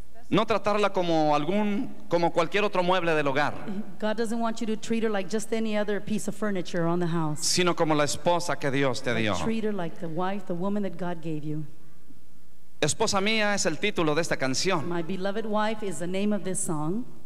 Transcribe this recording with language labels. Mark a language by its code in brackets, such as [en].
[es] No tratarla como algún como cualquier otro mueble del hogar. [en] God doesn't want you to treat her like just any other piece of furniture on the house. [es] Sino como la esposa que Dios te dio. [en] Treat her like the wife, the woman that God gave you. [es] Esposa mía es el título de esta canción. [en] My beloved wife is the name of this song.